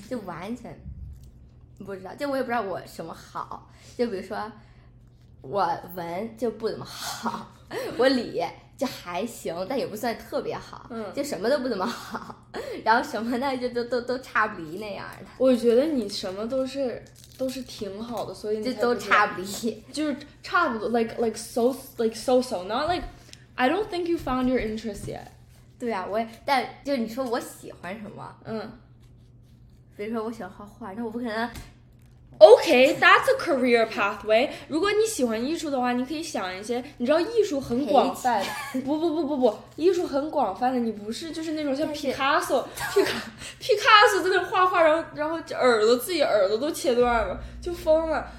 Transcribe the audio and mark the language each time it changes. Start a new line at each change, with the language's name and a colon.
Chinese: 就完全不知道，就我也不知道我什么好，就比如说我文就不怎么好，我理就还行但也不算特别好，嗯，就什么都不怎么好，然后什么呢就都差不离那样的。我觉得你什么都是挺好的，所以你就都差不离，就是差不多
English: like so not like I don't think you found your interest yet。
Chinese: 对啊，我也，但就你说我喜欢什么，嗯，比如说我喜欢画画，那我不可能。
English: OK, that's a career pathway.
Chinese: 如果你喜欢艺术的话，你可以想一些，你知道艺术很广泛的。不不不不不，艺术很广泛的，你不是就是那种像 Picasso 在那画画，然后自己耳朵都切断了，就疯了。